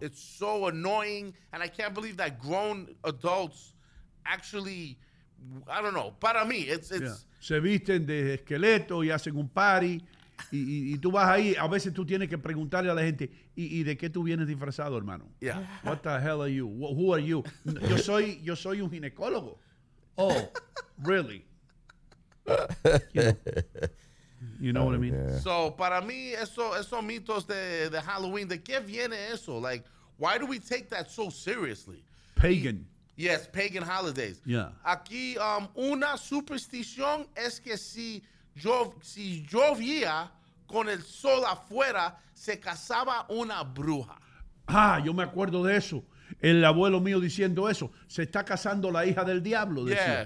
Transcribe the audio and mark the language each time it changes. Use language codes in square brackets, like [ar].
[en] It's so annoying, and I can't believe that grown adults actually, I don't know, [es] para mí, [en] it's yeah. [es] Se visten de esqueleto y hacen un party, y tú vas ahí, a veces tú tienes que preguntarle a la gente, ¿y de qué tú vienes disfrazado, hermano? [en] Yeah. What the hell are you? Who are you? [es] Yo soy un ginecólogo. [en] Oh, really? You know what I mean? Yeah. So, [es] para mí, esos mitos de Halloween, ¿de qué viene eso? [en] Like, why do we take that so seriously? Pagan. Yes, pagan holidays. Yeah. [es] Aquí, una superstición es que si yo vía con el sol afuera, se casaba una bruja. Ah, yo me acuerdo de eso. El abuelo mío diciendo eso. Se está casando la hija del diablo, decía.